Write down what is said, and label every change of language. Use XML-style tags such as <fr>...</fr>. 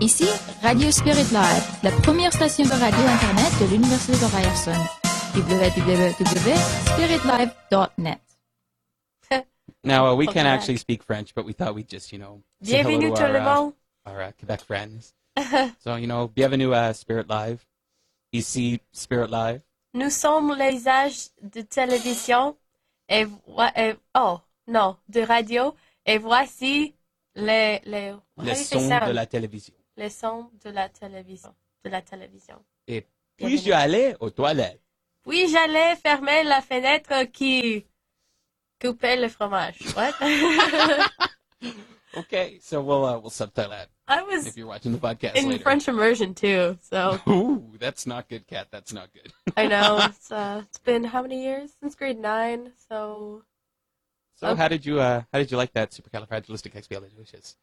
<fr>Ici Radio Spirit Live, la première station de radio internet de l'Université de Ryerson. www.spiritlive.net.</fr> <en>Now, we can actually speak French, but we thought we'd just, you know, say</en> <fr>bienvenue tout le monde.</fr> <en>Our Quebec friends. So, you know,</en> <fr>bienvenue à Spirit Live. Ici, Spirit Live. Nous sommes les visages de télévision et... de radio. Et voici les sons de la télévision. Les sons de la télévision. De la télévision. Et puis-je aller aux toilettes? Puis-je aller fermer la fenêtre qui coupait le fromage?</fr> <en>What? Okay, so we'll subtitle that. I was if you're watching the podcast in later. French immersion too. So ooh, that's not good, Kat. That's not good. I know. It's been how many years since grade 9? So okay. How did you like that supercalifragilisticexpialidocious?</en>